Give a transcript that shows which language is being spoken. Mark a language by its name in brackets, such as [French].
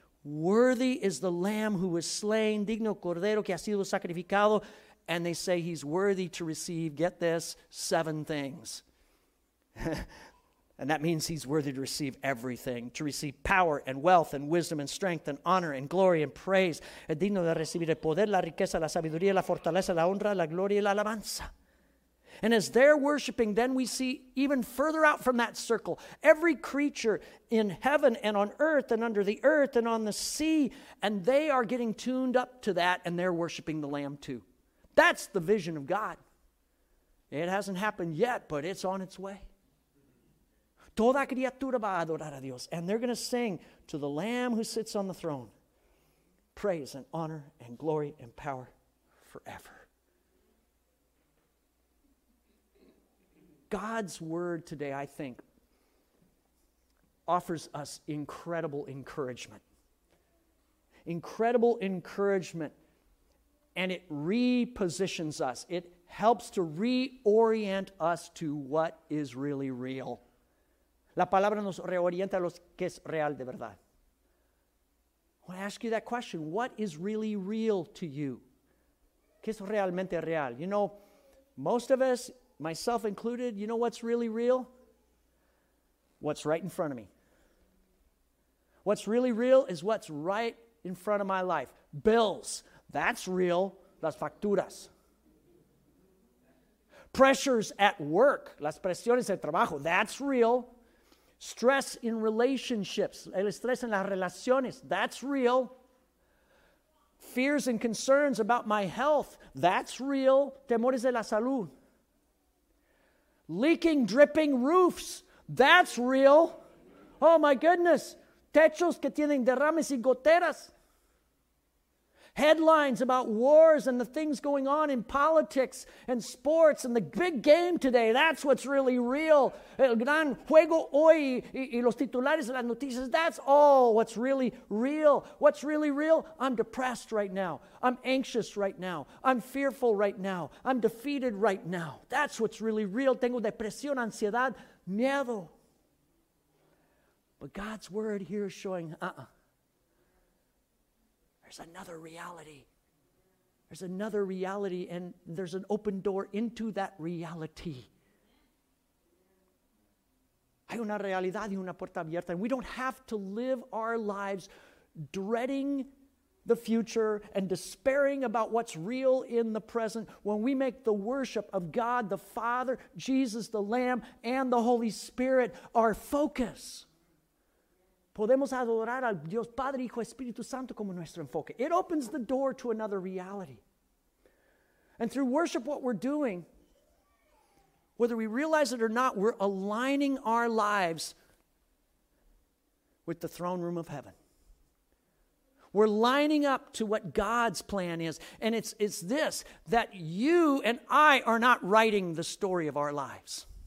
[English] Worthy is the Lamb who was slain, [Spanish] digno Cordero que ha sido sacrificado. [English] And they say he's worthy to receive, get this, 7 things. And that means he's worthy to receive everything, to receive power and wealth and wisdom and strength and honor and glory and praise. [Spanish] Es digno de recibir el poder, la riqueza, la sabiduría, la fortaleza, la honra, la gloria y la alabanza. [English] And as they're worshiping, then we see even further out from that circle, every creature in heaven and on earth and under the earth and on the sea, and they are getting tuned up to that, and they're worshiping the Lamb too. That's the vision of God. It hasn't happened yet, but it's on its way. [Spanish] Toda criatura va a adorar a Dios. [English] And they're going to sing to the Lamb who sits on the throne, praise and honor and glory and power forever. God's word today, I think, offers us incredible encouragement. Incredible encouragement. And it repositions us. It helps to reorient us to what is really real. [Spanish] La palabra nos reorienta a lo que es real de verdad. [English] I want to ask you that question. What is really real to you? [Spanish] ¿Qué es realmente real? [English] You know, most of us, myself included, you know what's really real? What's right in front of me. What's really real is what's right in front of my life. Bills. That's real. [Spanish] Las facturas. [English] Pressures at work. [Spanish] Las presiones de trabajo. [English] That's real. Stress in relationships. [Spanish] El estrés en las relaciones. [English] That's real. Fears and concerns about my health. That's real. [Spanish] Temores de la salud. [English] Leaking, dripping roofs. That's real. Oh my goodness. [Spanish] Techos que tienen derrames y goteras. [English] Headlines about wars and the things going on in politics and sports and the big game today. That's what's really real. [Spanish] El gran juego hoy y los titulares de las noticias. [English] That's all what's really real. What's really real? I'm depressed right now. I'm anxious right now. I'm fearful right now. I'm defeated right now. That's what's really real. [Spanish] Tengo depresión, ansiedad, miedo. [English] But God's word here is showing, there's another reality. There's another reality, and there's an open door into that reality. [Spanish] Hay una realidad y una puerta abierta. [English] And we don't have to live our lives dreading the future and despairing about what's real in the present, when we make the worship of God the Father, Jesus the Lamb, and the Holy Spirit our focus. [Spanish] Podemos adorar al Dios Padre, Hijo, Espíritu Santo como nuestro enfoque. [English] It opens the door to another reality. And through worship, what we're doing, whether we realize it or not, we're aligning our lives with the throne room of heaven. We're lining up to what God's plan is. And it's this, that you and I are not writing the story of our lives.